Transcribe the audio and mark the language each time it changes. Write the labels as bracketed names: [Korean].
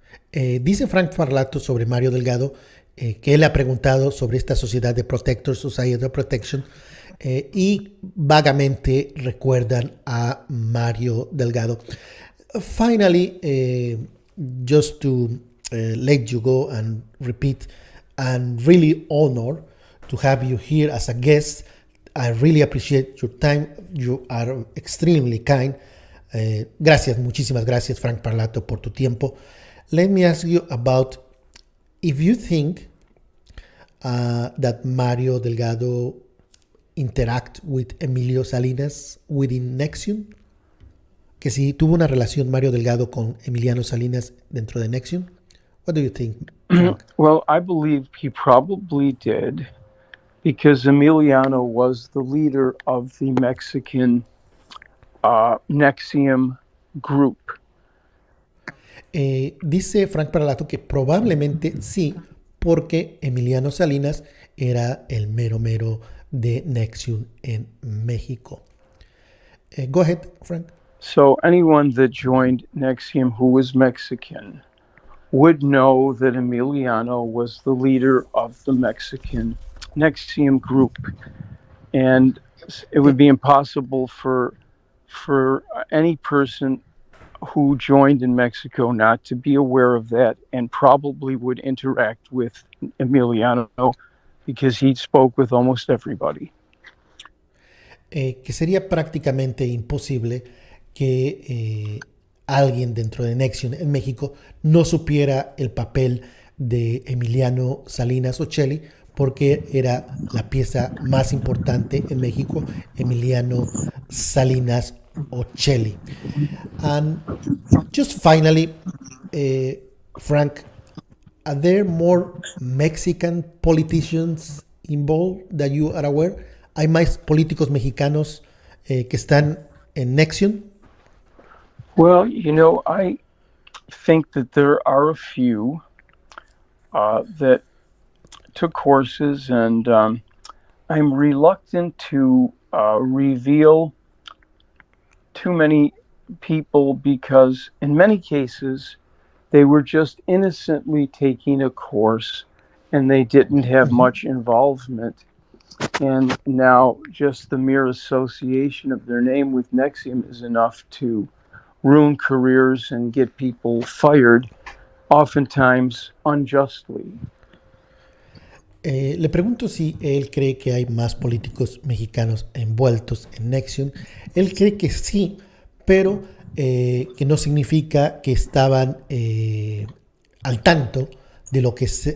[Spanish] Dice Frank Farlato sobre Mario Delgado que él ha preguntado sobre esta sociedad de Protectors, Society of Protection, y vagamente recuerdan a Mario Delgado. [English] Finally, just to let you go and repeat, I'm really honored to have you here as a guest. I really appreciate your time. You are extremely kind. [Spanish] Gracias, muchísimas gracias, Frank Parlato, por tu tiempo. [English] Let me ask you about if you think that Mario Delgado interact with Emilio Salinas within Nexium, [Spanish] que si tuvo una relación Mario Delgado con Emiliano Salinas dentro de Nexium. [English] What do you think? Well, I believe he probably did, because Emiliano was the leader of the Mexican Nexium group. [Spanish] Dice Frank Paralato que probablemente sí, porque Emiliano Salinas era el mero mero de Nexium en México. [English] Go ahead, Frank. So anyone that joined Nexium who was Mexican would know that Emiliano was the leader of the Mexican Nexium group. And it would be impossible for any person who joined in Mexico not to be aware of that, and probably would interact with Emiliano because he spoke with almost everybody. [Spanish] Que sería prácticamente imposible que alguien dentro de Nexium en México no supiera el papel de Emiliano Salinas Ochelli, porque era la pieza más importante en México, Emiliano Salinas Ochelli. [English] And just finally, Frank, are there more Mexican politicians involved that you are aware? [Spanish] ¿Hay más políticos mexicanos que están en Nexium? [English] Well, you know, I think that there are a few that took courses, and I'm reluctant to reveal too many people because in many cases they were just innocently taking a course and they didn't have much involvement. And now just the mere association of their name with Nexium is enough to ruin careers and get people fired, oftentimes unjustly. [Spanish] Le pregunto si él cree que hay más políticos mexicanos envueltos en Nexium. Él cree que sí, pero que no significa que estaban al tanto de lo que